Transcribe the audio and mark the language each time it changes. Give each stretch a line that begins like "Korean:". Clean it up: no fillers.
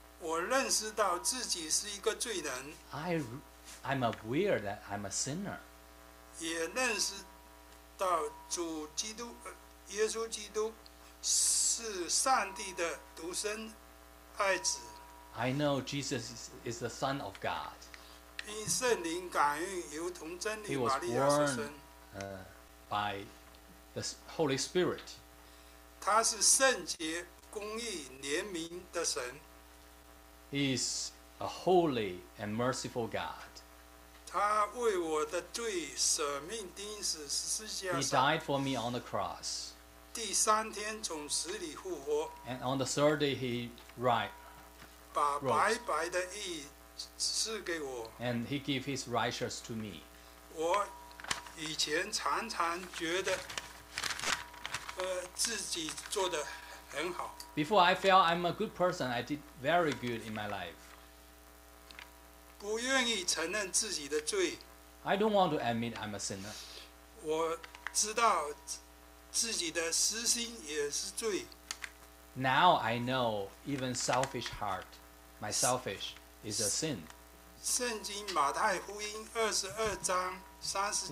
Chinese: 我认识到自己是一个罪人。
English: I'm aware that I'm a sinner.
Chinese: 也认识到主基督，耶稣基督是上帝的独生爱子。
English: I know Jesus is the Son of God.
Chinese: 因圣灵感孕，如同真理玛利亚所生。
English: He was born by the Holy Spirit.
Chinese: 他是圣洁、公义、怜悯的神。
English: He is a holy and merciful God.
Chinese: 他为我的罪舍命钉死十字架上。
English: He died for me on the cross.
Chinese: 第三天从死里复活。
English: And on the third day he
Chinese: 把白白的义赐给我。
English: And he gave his righteous to me.
Chinese: 我以前常常觉得，自己做得很好。
English: Before I felt I'm a good person, I did very good in my life.
Chinese: 不愿意承认自己的罪。
English: I don't want to admit I'm a sinner.
Chinese: 我知道自己的私心也是罪。
English: Now I know even selfish heart, my selfish, is a sin.
Chinese: 圣经马太福音二十二章三十七。